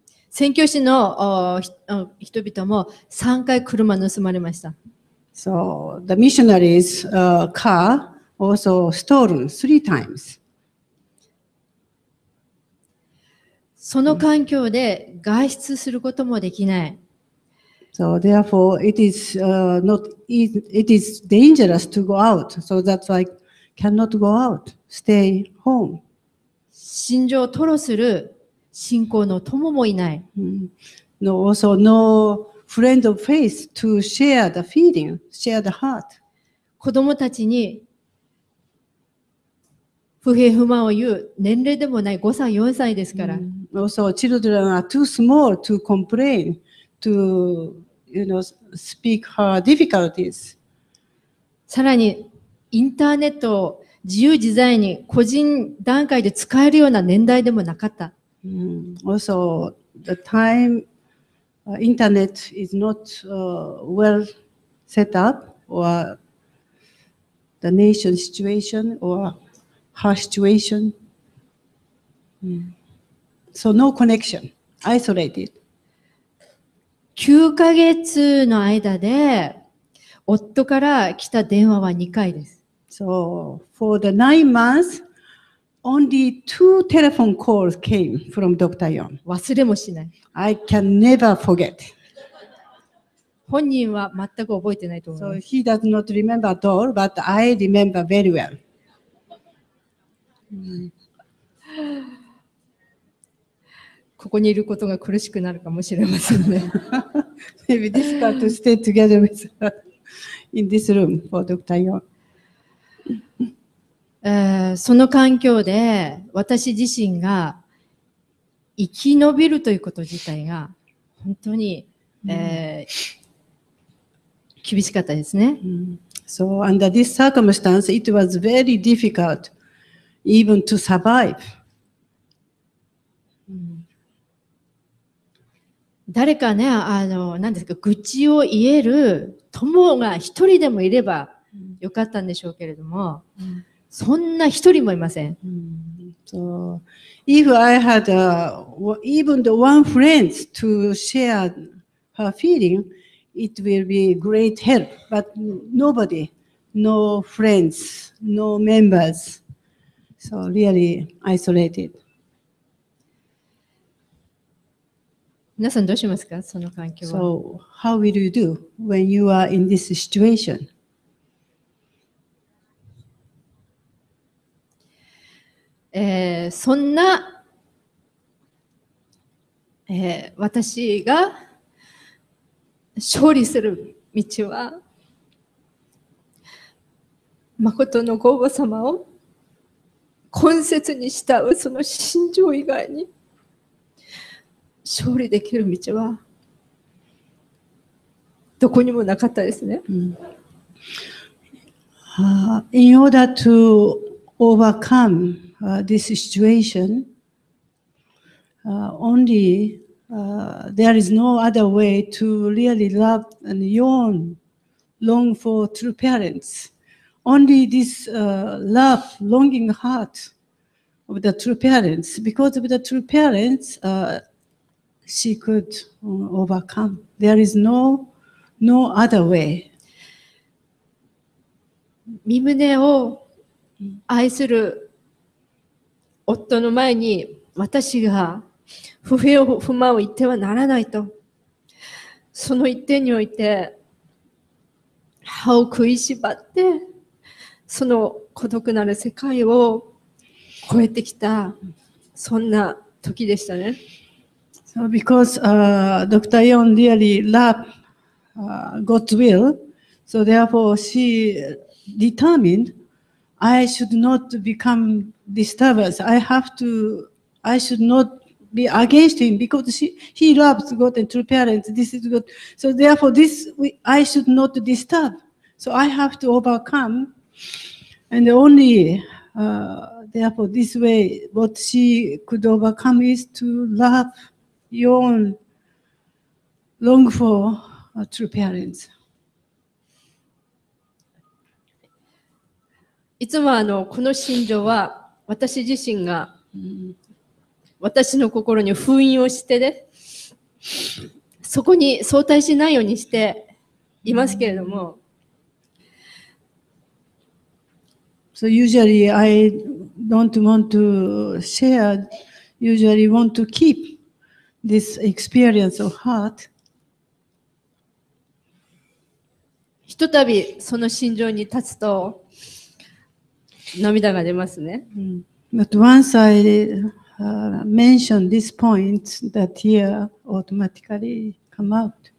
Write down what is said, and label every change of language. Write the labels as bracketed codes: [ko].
[ja] 宣教師の人々も3回車盗まれました。 [en] So, the missionary's car also stolen three times. [ja] その環境で外出することもできない。 [en] So, therefore, it is dangerous to go out. So, that's why I cannot go out, stay home. [ja] 心情を吐露する信仰の友もいない。 [en] No, also no friend of faith to share the feeling, share the heart. [ja] 子供たちに不平不満を言う年齢でもない5歳、4歳ですから。 [en] Also, children are too small to complain, to, you know, speak her difficulties. [ja] さらに、インターネットを自由自在に個人段階で使えるような年代でもなかった。 [en] Also, the time, internet is not well set up, or the nation situation, or her situation. So no connection, isolated. [ja] 9ヶ月の間で夫から来た電話は2回です。 [en] So for the 9 months,Only two telephone calls came from Dr. Yon. [ja] 忘れもしない。 [en] I can never forget. [ja] 本人は全く覚えてないと思います。 [en] So he does not remember at all, but I remember very well. [ja] ここにいることが苦しくなるかもしれませんね。 [en] Maybe difficult to stay together with her in this room for Dr. Yon. [ja] その環境で私自身が生き延びるということ自体が本当に、厳しかったですね。 [en] So under this circumstance, it was very difficult even to survive. [ja] 誰かね、何ですか、愚痴を言える友が一人でもいればよかったんでしょうけれども。そんな一人もいません。 [en] So, if I had even the one friend to share her feeling, it will be great help. But nobody, no friends, no members. So really isolated. [ja] 皆さんどうしますか、その環境は。 [en] So, how will you do when you are in this situation? [ja] そんな、私が勝利する道は誠の御母様を懇切に慕うその心情以外に勝利できる道はどこにもなかったですね。 [en] In order to overcomeThis situation, only there is no other way to really love and yearn, long for true parents. Only this love, longing heart of the true parents. Because of the true parents, she could overcome. There is no other way. [ja] 身胸を愛する夫の前に私が不平不満を言ってはならないと、その一点において歯を食いしばってその孤独なる世界を越えてきた、そんな時でしたね。 [en] So because Dr. Yon really loved God's will, So therefore, she determined I should not become disturbed. I should not be against him because he loves God and true parents. This is good. So therefore, I should not disturb. So I have to overcome. And only, therefore, this way, what she could overcome is to love your own, long for true parents. [ja] いつもこの心情は私自身が私の心に封印をしてね、そこに相対しないようにしていますけれども、 [en] So usually I don't want to share. Usually want to keep this experience of heart. [ja] ひとたびその心情に立つと。涙が出ますね。 [en] But once I mention this point, the tear automatically come out.